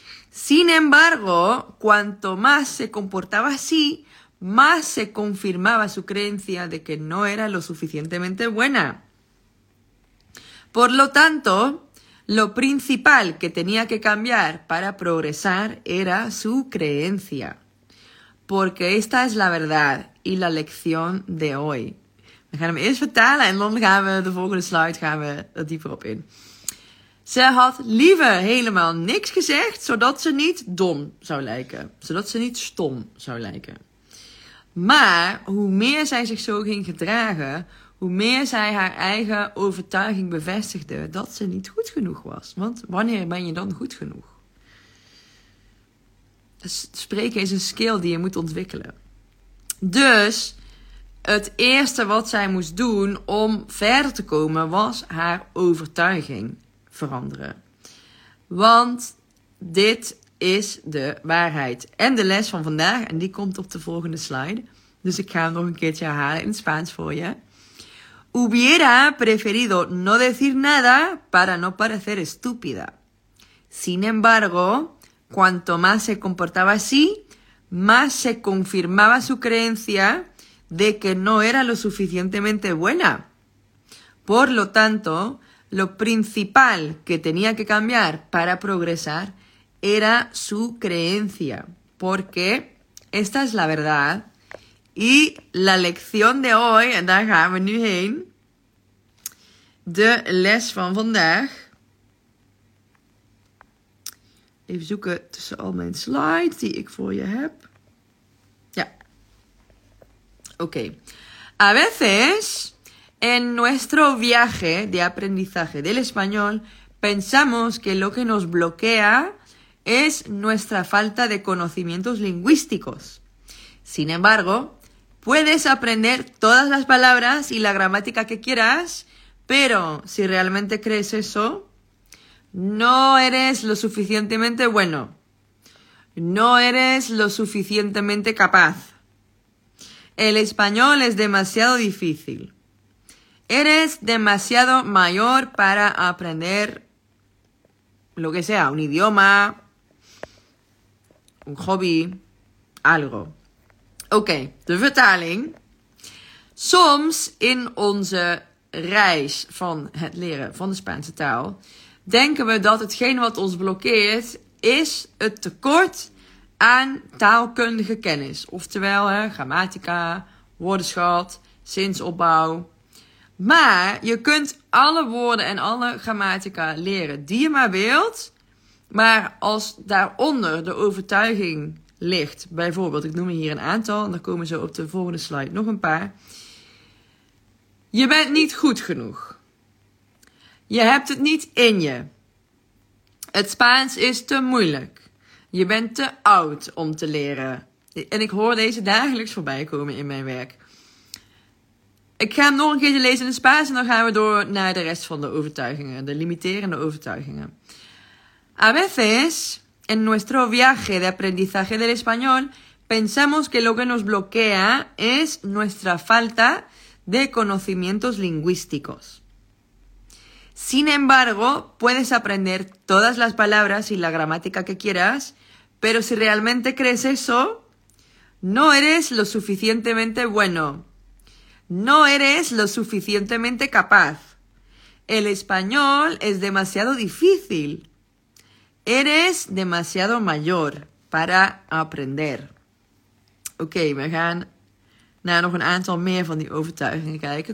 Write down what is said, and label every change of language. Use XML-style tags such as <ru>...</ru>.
<es>Sin embargo, cuanto más se comportaba así, más se confirmaba su creencia de que no era lo suficientemente buena. Por lo tanto, lo principal que tenía que cambiar para progresar era su creencia. Porque esta es la verdad y la lección de hoy.</es> <nl>We gaan hem eerst vertalen en dan gaan we de volgende slide gaan we er dieper op in. Ze had liever helemaal niks gezegd, zodat ze niet dom zou lijken. Zodat ze niet stom zou lijken. Maar hoe meer zij zich zo ging gedragen, hoe meer zij haar eigen overtuiging bevestigde dat ze niet goed genoeg was. Want wanneer ben je dan goed genoeg? Spreken is een skill die je moet ontwikkelen. Dus het eerste wat zij moest doen om verder te komen was haar overtuiging veranderen. Want dit is de waarheid. En de les van vandaag, en die komt op de volgende slide. Dus ik ga hem nog een keertje herhalen in Spaans voor je.</nl> <es>Hubiera preferido no decir nada para no parecer estúpida. Sin embargo, cuanto más se comportaba así, más se confirmaba su creencia de que no era lo suficientemente buena. Por lo tanto, lo principal que tenía que cambiar para progresar era su creencia, porque esta es la verdad y la lección de hoy,</es> <nl>en daar gaan we nu heen, de les van vandaag. Even zoeken tussen al mijn slides die ik voor je heb. Ja. Oké.</nl> <es>A veces, en nuestro viaje de aprendizaje del español, pensamos que lo que nos bloquea es nuestra falta de conocimientos lingüísticos. Sin embargo, puedes aprender todas las palabras y la gramática que quieras, pero si realmente crees eso, no eres lo suficientemente bueno. No eres lo suficientemente capaz. El español es demasiado difícil. Eres demasiado mayor para aprender lo que sea, un idioma, un hobby, algo.</es> <nl>Ok, de vertaling. Soms in onze reis van het leren van de Spaanse taal denken we dat hetgeen wat ons blokkeert is het tekort aan taalkundige kennis. Oftewel, grammatica, woordenschat, zinsopbouw. Maar je kunt alle woorden en alle grammatica leren die je maar wilt. Maar als daaronder de overtuiging ligt, bijvoorbeeld, ik noem hier een aantal, en dan komen ze op de volgende slide nog een paar. Je bent niet goed genoeg. Je hebt het niet in je. Het Spaans is te moeilijk. Je bent te oud om te leren. En ik hoor deze dagelijks voorbij komen in mijn werk. Ik ga hem nog een keertje lezen in het Spaans en dan gaan we door naar de rest van de overtuigingen, de limiterende overtuigingen.</nl> <es>A veces, en nuestro viaje de aprendizaje del español, pensamos que lo que nos bloquea es nuestra falta de conocimientos lingüísticos. Sin embargo, puedes aprender todas las palabras y la gramática que quieras, pero si realmente crees eso, no eres lo suficientemente bueno. No eres lo suficientemente capaz. El español es demasiado difícil. Eres demasiado mayor para aprender.</es> <nl>Ok, we gaan naar nog een aantal meer van die overtuigingen kijken.</nl>